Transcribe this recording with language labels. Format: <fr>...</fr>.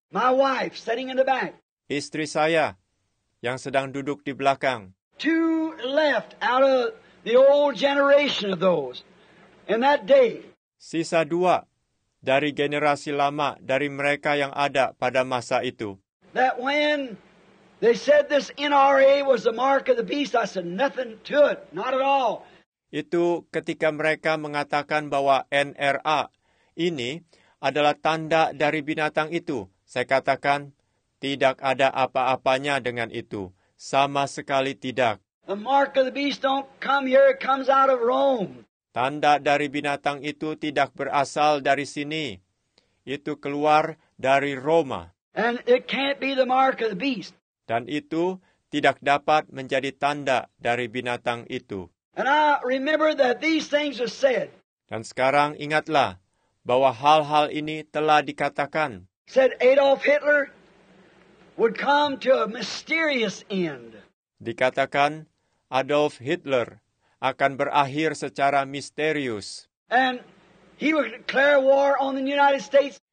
<en>My wife sitting in the back.</en> <id>Istri saya yang sedang duduk di belakang.</id> <en>Two left out of the old generation of those in that day.</en> <id>Sisa dua dari generasi lama dari mereka yang ada pada masa itu.</id> <en>That when they said this NRA was the mark of the beast, I said nothing to it, not at all.</en> <id>Itu ketika mereka mengatakan bahwa NRA ini adalah tanda dari binatang itu. Saya katakan, tidak ada apa-apanya dengan itu. Sama sekali tidak.</id> <en>The mark of the beast don't come here, it comes out of Rome.</en> <id>Tanda dari binatang itu tidak berasal dari sini. Itu keluar dari Roma.</id> <en>And it can't be the mark of the beast.</en> <id>Dan itu tidak dapat menjadi tanda dari binatang itu.</id> <en>And I remember that these things are said.</en> <id>Dan sekarang ingatlah, bahwa hal-hal ini telah dikatakan.</id> <en>Said Adolf Hitler would come to a mysterious end.</en> <id>Dikatakan Adolf Hitler akan berakhir secara misterius.</id> <en>And he would declare war on the United States.</en>